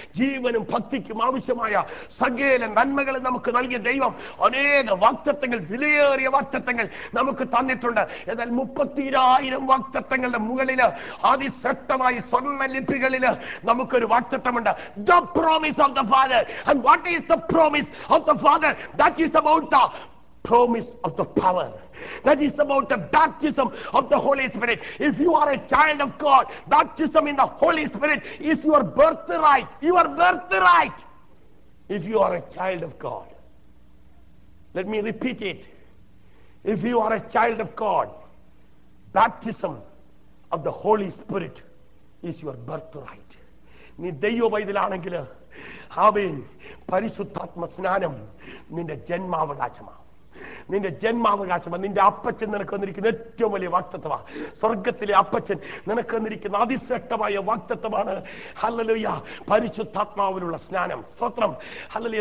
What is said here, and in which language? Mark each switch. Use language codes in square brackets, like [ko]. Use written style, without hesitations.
[ml] ജീവനും ഭക്തിക്കും ആവശ്യമായ സകല നന്മകളും നമുക്ക് നൽകിയ ദൈവം അനേക വാഗ്ദത്തങ്ങൾ, വിലയേറിയ വാഗ്ദത്തങ്ങൾ നമുക്ക് തന്നിട്ടുണ്ട്. എന്നാൽ 32,000 വാഗ്ദത്തങ്ങളുടെ മുകളില് അതിശക്തമായി സ്വർണ്ണ ലിപികളില് നമുക്കൊരു വാഗ്ദത്തമുണ്ട്, [en] The promise of the Father. And what is the promise of the Father? That is about the promise of the power. That is about the baptism of the Holy Spirit. If you are a child of God, baptism in the Holy Spirit is your birthright. Your birthright. If you are a child of God, let me repeat it. If you are a child of God, baptism of the Holy Spirit is your birthright. [ml] നീ ദൈവവൈതലാണെങ്കിൽ ആവേൻ പരിശുദ്ധാത്മ സ്നാനം നിന്റെ ജന്മാവകാശമാണ്. നിന്റെ ജന്മാവകാശമാണ്, നിന്റെ അപ്പച്ചൻ നിനക്ക് വന്നിരിക്കുന്ന ഏറ്റവും വലിയ വാക്തത്വമാണ്, സ്വർഗത്തിലെ അപ്പച്ചൻ നിനക്ക് വന്നിരിക്കുന്ന അതിശ്രേഷ്ഠമായ വാക്തത്വമാണ്. ഹല്ലേലൂയ, പരിശുദ്ധാത്മാവിലുള്ള സ്നാനം, സ്തോത്രം, ഹല്ലേലൂയ.